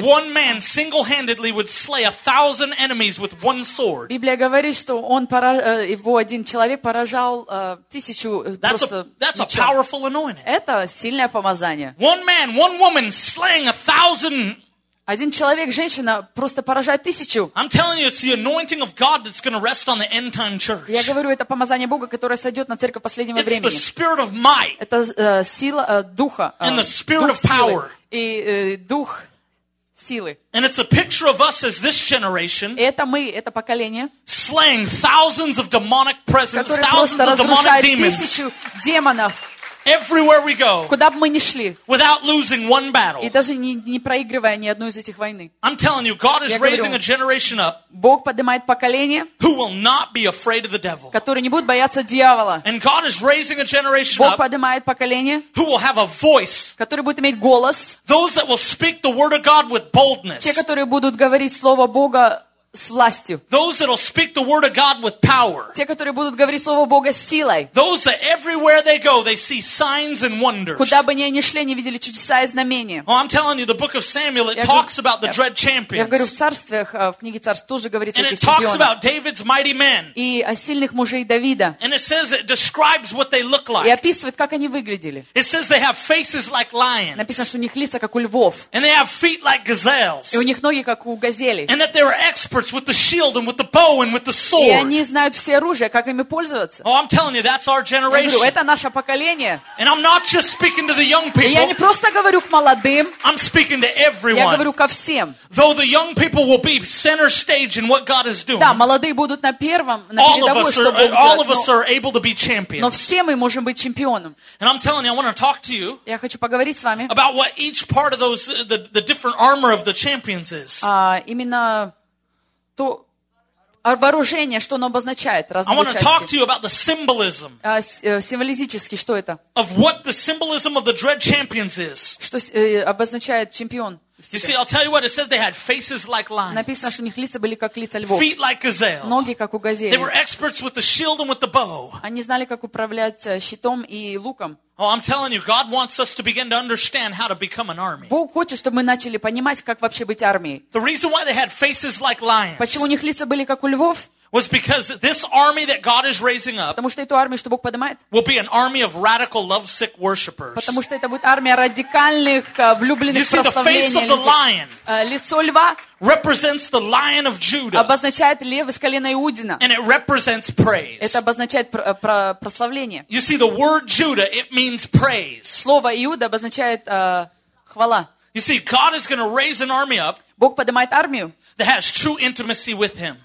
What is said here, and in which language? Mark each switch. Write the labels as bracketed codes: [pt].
[en] That one man single-handedly would slay 1,000 enemies with one sword. [ru] Библия говорит, что он его один человек поражал тысячу просто. [en] That's a powerful anointing. [ru] Это сильное помазание. [en] One man, one woman slaying 1,000. [ru] Один человек, женщина, просто поражает тысячу. [en] I'm telling you, it's the anointing of God that's going to rest on the end time church. [ru] Я говорю, это помазание Бога, которое сойдет на церковь последнего [en] it's [ru] времени. [en] It's the spirit of might. [ru] Это сила духа. [en] And the spirit of power. [ru] И дух силы. [en] And it's a picture of us as this generation. [ru] Это мы, это поколение. [en] Slaying thousands of demonic presence, thousands of demonic demons. [ru] Тысячу демонов. [en] Everywhere we go, [ru] куда бы мы ни шли, [en] without losing one battle, [ru] и даже не проигрывая ни одной из этих войн, [en] I'm telling you, God is raising a generation up, [ru] Бог поднимает поколение, [en] who will not be afraid of the devil, [ru] которые не будут бояться дьявола, [en] and God is raising a generation [ru] Бог поднимает поколение, [en] who will have a voice, [ru] которые будут иметь голос, [en] those that will speak the word of God with boldness, [ru] те, которые будут говорить слово Бога с властью. [en] Those that will speak the word of God with power. [ru] Те, которые будут говорить слово Бога с силой. [en] Those that everywhere they go, they see signs and wonders. [ru] Куда бы ни они шли, они видели чудеса и знамения. [en] Oh, I'm telling you, the book of Samuel it talks about the dread champions. [ru] Я говорю, в царствах, в книге царств тоже говорится о этих чемпионах. [en] And it talks about David's mighty men. [ru] И о сильных мужей Давида. [en] And it says it describes what they look like. [ru] И описывает, как они выглядели. [en] It says they have faces like lions. [ru] Написано, что у них лица как у львов. [en] And they have feet like gazelles. [ru] И у них ноги как у газели. [en] And that they are experts with the shield and with the bow and with the sword. [ru] И они знают все оружие, как ими пользоваться. [en] Oh, I'm telling you, that's our generation. [ru] Я говорю, это наше поколение. [en] And I'm not just speaking to the young people. [ru] И я не просто говорю к молодым. [en] I'm speaking to everyone. [ru] Я говорю ко всем. [en] Though the young people will be center stage in what God is doing. [ru] Да, молодые будут на первом, на передовой, что Бог делает. [en] All of us are able to be champions. [ru] Но все мы можем быть чемпионом. [en] And I'm telling you, I want to talk to you. [ru] Я хочу поговорить с вами. [en] About what each part of those the different armor of the champions is. [ru] Именно то вооружение, что оно обозначает, разные части. [en] I want to talk to you about the symbolism. [ru] Символически, что это? [en] Of what the symbolism of the dread champions is. [ru] Что обозначает чемпион? [en] You see, I'll tell you what it says. They had faces like lions. [ru] Написано, что у них лица были как лица львов. [en] Feet like gazelle. [ru] Ноги как у газели. [en] They were experts with the shield and with the bow. [ru] Они знали, как управлять щитом и луком. [en] Oh, I'm telling you, God wants us to begin to understand how to become an army. [ru] Бог хочет, чтобы мы начали понимать, как вообще быть армией. [en] The reason why they had faces like lions. [ru] Почему у них лица были как у львов? [en] Was because this army that God is raising up will be an army of radical lovesick worshipers. [ru] Потому что это будет армия радикальных влюбленных прославителей. [en] You see, the face of the lion. [ru] Лицо льва. [en] Represents the lion of Judah. [ru] Обозначает лев из колена Иудина. [en] And it represents praise. [ru] Это обозначает прославление. [en] You see, the word Judah it means praise. [ru] Слово Иуда обозначает хвала. [en] You see, God is going to raise an army up. [ru] Бог поднимает армию. [en] That has true intimacy with Him.